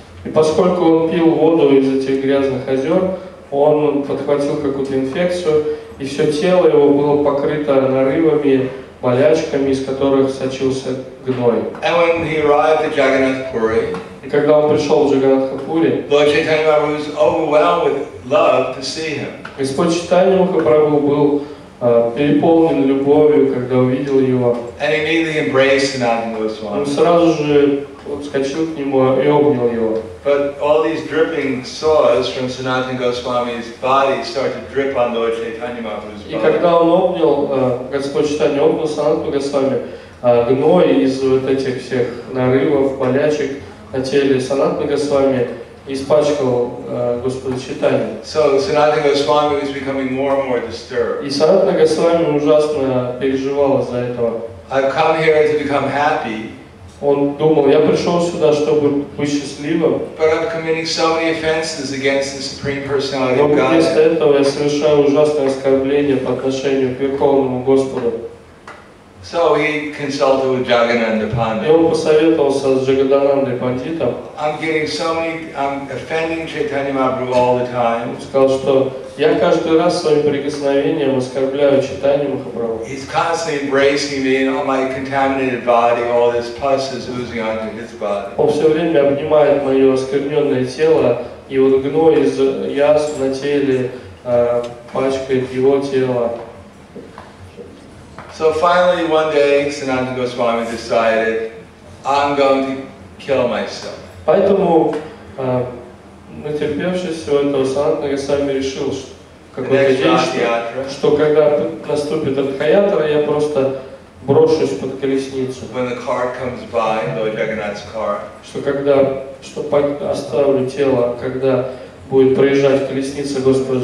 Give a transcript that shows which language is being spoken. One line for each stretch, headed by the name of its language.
Russian: И поскольку он пил воду из этих грязных озер, он подхватил какую-то инфекцию, и все тело его было покрыто нарывами, болячками, из которых сочился гной.
English: And when he arrived at Jagannath Puri,
Russian: и когда он пришел в Джаганатхапури,
English: Lord Chaitanya Mahaprabhu was overwhelmed with love to see him.
Russian: Господь Чайтанья Махапрабху был переполнен любовью, когда увидел его.
English: And he immediately embraced Sanatana Goswami.
Russian: Он сразу же подскочил к нему и обнял его.
English: But all these dripping sores from Sanatana Goswami's body started to drip on Lord Chaitanya Mahaprabhu's body.
Russian: И когда он обнял, Господь Чайтанья обнял Санатана Госвами, гной из вот этих всех нарывов, болячек на теле Санатана Госвами испачкал Господа Чайтанью.
English: So Sanatana Goswami was becoming more and more disturbed.
Russian: И Санатана Госвами ужасно переживал из-за этого.
English: I've come here to become happy.
Russian: Он думал, я пришел сюда, чтобы быть счастливым.
English: But I'm committing so many offenses against the Supreme Personality of God.
Russian: Но вместо этого я совершаю ужасное оскорбление по отношению к Верховному Господу.
English: So he consulted with Jagannanda Pandit.
Russian: И он посоветовался с Джагадананда Пандитом.
English: I'm getting so many, I'm offending Chaitanya Mahaprabhu all the time.
Russian: Он сказал, что я каждый раз своим прикосновением оскорбляю Чайтанью Махапрабху.
English: He's constantly embracing me and all my contaminated body, all this pus is oozing onto his body.
Russian: Он все время обнимает мое оскверненное тело, и вот гной из язв на теле пачкает его тело.
English: So finally, one day, Sanatana Goswami decided, I'm going to kill myself.
Russian: Поэтому, натерпевшись всего этого, Санатана Госвами решил, что когда наступит Радхаятра, я просто брошусь под колесницу.
English: When the car comes by, Lord Jagannath's car.
Russian: Что оставлю тело, когда будет проезжать колесница Господа